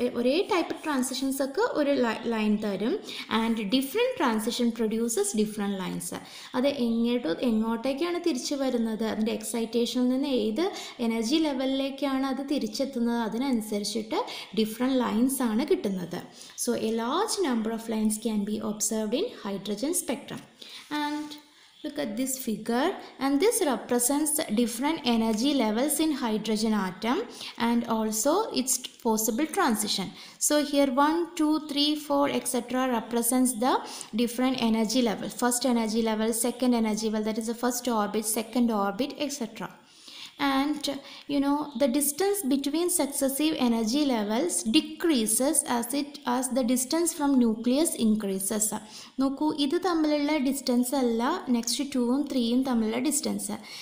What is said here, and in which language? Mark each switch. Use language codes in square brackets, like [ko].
[ml] ഒരേ type transitions ഒക്കെ ഒരു ലൈൻ തരും. [en] And different transition produces different lines. [ml] അത് എങ്ങോട്ടേക്കാണ് തിരിച്ചു വരുന്നത്, അതിൻ്റെ എക്സൈറ്റേഷനിൽ നിന്ന് ഏത് എനർജി ലെവലിലേക്കാണ് അത് തിരിച്ചെത്തുന്നത്, അതിനനുസരിച്ചിട്ട് ഡിഫറെൻറ്റ് ലൈൻസ് ആണ് കിട്ടുന്നത്. [en] So a large number of lines can be observed in hydrogen spectrum. And look at this figure, and this represents different energy levels in hydrogen atom and also its possible transition. So here 1, 2, 3, 4 etc. represents the different energy level, first energy level, second energy level, that is the first orbit, second orbit etc. And you know, the distance between successive energy levels decreases as the distance from nucleus increases. [ml] നോക്കൂ, ഇത് തമ്മിലുള്ള distance അല്ല next ടൂവും ത്രീയും തമ്മിലുള്ള distance.